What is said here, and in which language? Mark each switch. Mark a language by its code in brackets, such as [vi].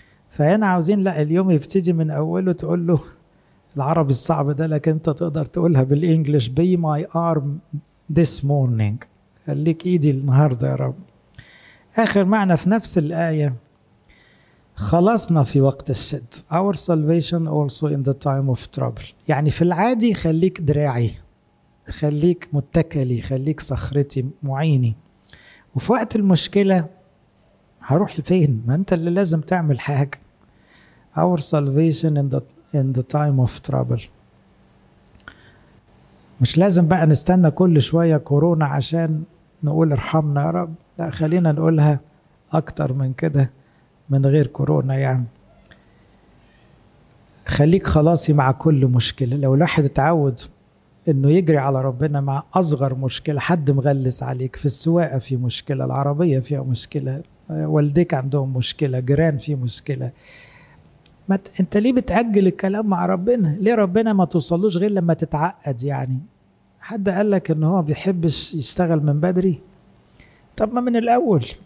[ar] فهنا عاوزين لا اليوم يبتدي من اوله، تقول له العربي الصعب ده لكن انت تقدر تقولها بالانجلش [en] be my arm this morning، [ar] خليك ايدي النهاردة يا رب. اخر معنى في نفس الآية خلاصنا في وقت الشد. [en] Our salvation also in the time of trouble. [ar] يعني في العادي خليك دراعي، خليك متكلي، خليك صخرتي، معيني. وفي وقت المشكلة هروح لفين؟ ما أنت اللي لازم تعمل حاجة. [en] Our salvation in the time of trouble. [ar] مش لازم بقى نستنى كل شوية كورونا عشان نقول ارحمنا يا رب. لا، خلينا نقولها أكتر من كده من غير كورونا. يعني خليك خلاصي مع كل مشكلة. لو الواحد اتعود انه يجري على ربنا مع اصغر مشكلة، حد مغلس عليك في السواقة، في مشكلة العربية، فيها مشكلة والديك عندهم مشكلة، جيران في مشكلة، ما انت ليه بتأجل الكلام مع ربنا؟ ليه ربنا ما توصلوش غير لما تتعقد؟ يعني حد قالك انه هو بيحبش يشتغل من بدري؟ طب ما من الاول.